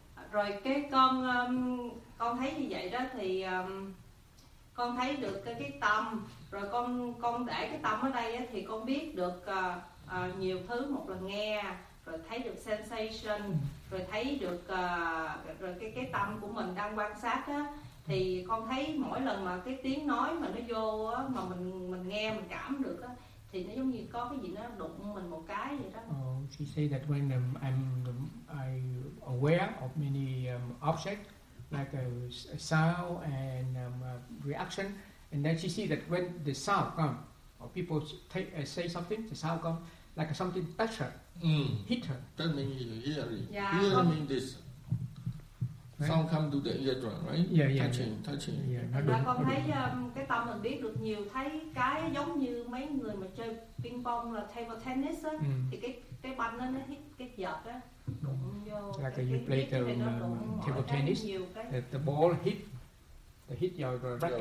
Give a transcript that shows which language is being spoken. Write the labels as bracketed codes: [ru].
[vi] Rồi cái con thấy như vậy đó thì con thấy được cái tâm, rồi con để cái tâm ở đây á, thì con biết được nhiều thứ, một là nghe, rồi thấy được sensation, rồi thấy được rồi cái tâm của mình đang quan sát á, thì con thấy mỗi lần mà cái tiếng nói mà nó vô á, mà mình nghe mình cảm được á, thì nó giống như có cái gì nó đụng mình một cái vậy đó. [en] She say that when I aware of many objects like a sound and a reaction, and then she see that when the sound come or people say something, the sound come like something touch her, hit her. That means hearing. Yeah. Hearing means this. Right. Sound come to the eardrum, right? Yeah, yeah. Touching. Yeah. [vi] Và con thấy cái tâm mình biết được nhiều, thấy cái giống như mấy người mà chơi ping pong là table tennis á, thì cái banh nó [en] hit [vi] cái vợt á. [en] Like cái, you play the table tennis, the ball hit your racket.